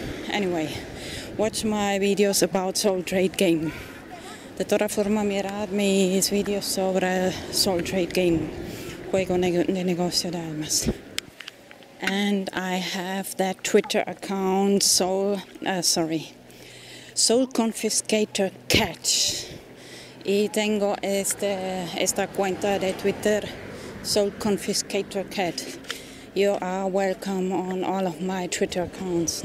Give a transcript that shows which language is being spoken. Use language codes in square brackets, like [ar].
[en] Anyway, watch my videos about Soul Trade Game. [es] De toda forma, mirad mis videos sobre Soul Trade Game, juego de negocio de almas. [en] And I have that Twitter account Soul Confiscator Catch. [es] Y tengo esta cuenta de Twitter, Soul Confiscator Cat. [en] You are welcome on all of my Twitter accounts.